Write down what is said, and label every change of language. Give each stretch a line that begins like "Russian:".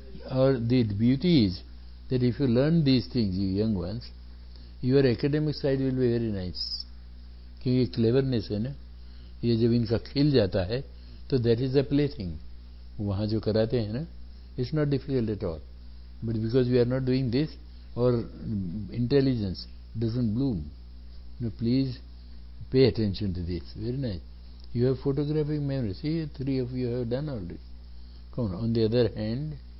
English: Or the beauty is that if you learn these things, you young ones, your academic side will be very nice. Because cleverness is,
Hindi: ये जब इनका खेल जाता है, तो
English: that is a plaything.
Hindi: वहाँ जो कराते हैं ना,
English: it's not difficult at all. But because we are not doing this, our intelligence doesn't bloom. Now please pay attention to this. Very nice. You have photographic memory. See, three of you have done already. Come on.